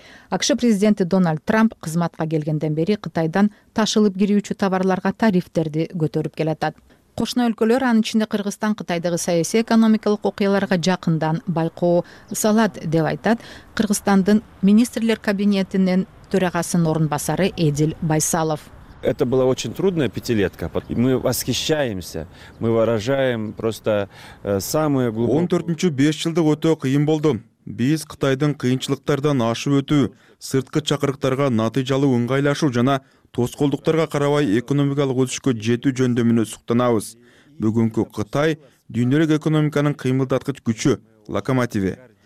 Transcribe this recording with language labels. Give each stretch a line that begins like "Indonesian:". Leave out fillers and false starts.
Kyrgyz: АКШ президенти Дональд Трамп кызматка келгенден бери Кытайдан ташылып кирүүчү товарларга тарифтерди көтөрүп келатат. Кошуна өлкөлөр, анын ичинде Кыргызстан Кытайдагы саясий экономикалык окуяларга жакындан байкоо салат деп айтат Кыргызстандын министрлер кабинетинин төрагасынын орун басары Эдил Байсалов.
Russian: Это была очень трудная пятилетка. Мы восхищаемся. Мы выражаем просто самые глубокие.
Kyrgyz: 14-5 жылдык өтө кыйын болду. Биз Кытайдын кыйынчылыктардан ашып өтүү, сырткы чакырыктарга натыйжалуу ыңгайлашуу жана тоскоолдуктарга карабай экономикалык өсүшкө жетүү жөндөмүнө суктанабыз. Бүгүнкү Кытай дүйнөлүк экономиканын кыймылдаткыч күчү, локомотиви.